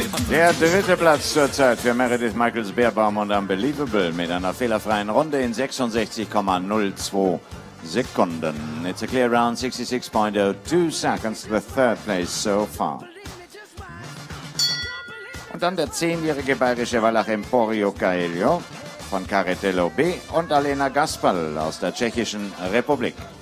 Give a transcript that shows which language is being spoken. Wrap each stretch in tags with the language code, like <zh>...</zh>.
<de>Der dritte Platz zurzeit für Meredith Michaels-Beerbaum und Unbelievable mit einer fehlerfreien Runde in 66,02 Sekunden.</de> <en>It's a clear round 66.02 seconds, the third place so far.</en> <de>Und dann der 10-jährige bayerische Wallach Emporio Caelio von Caritello B und Alena Gasperl aus der Tschechischen Republik.</de>